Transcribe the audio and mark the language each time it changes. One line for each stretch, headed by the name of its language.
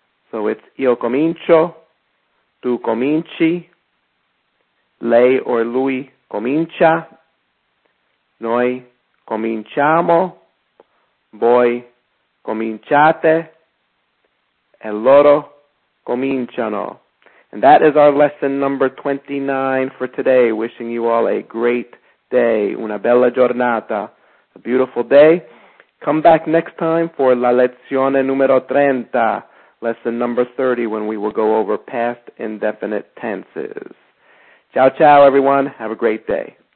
English: So it's
Italian: io comincio, tu cominci, lei or lui comincia, noi cominciamo, voi cominciate, e loro cominciano.
English: And that is our lesson number 29 for today. Wishing you all a great day,
Italian: una bella giornata,
English: a beautiful day. Come back next time for
Italian: la lezione numero 30.
English: Lesson number 30, when we will go over past indefinite tenses.
Italian: Ciao, ciao,
English: everyone. Have a great day.